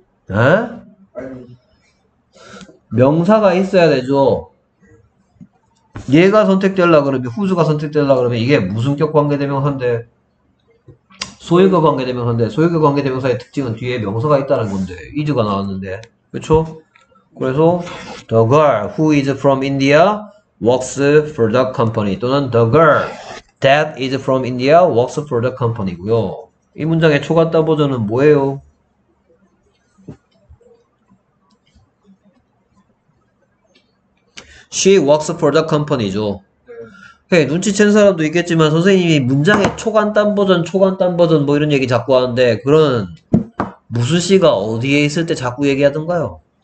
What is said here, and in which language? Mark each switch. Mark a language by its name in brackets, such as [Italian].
[Korean] 에? 명사가 있어야 되죠. 얘가 선택되려 그러면 후스가 선택되려 그러면 이게 무슨 격 관계대명사인데? 소유격 관계대명사인데 소유격 관계대명사의 특징은 뒤에 명사가 있다는 건데 is가 나왔는데 그렇죠? 그래서 [English] the girl who is from India works for the company [Korean] 또는 [English] the girl that is from India works for the company고요. [Korean] 이 문장의 초간단 버전은 뭐예요? [English] 'She works for the company'죠. [Korean] 네, 눈치챈 사람도 있겠지만 선생님이 문장의 초간단 버전, 초간단 버전 뭐 이런 얘기 자꾸 하는데 그런 무슨 시가 어디에 있을 때 자꾸 얘기하던가요?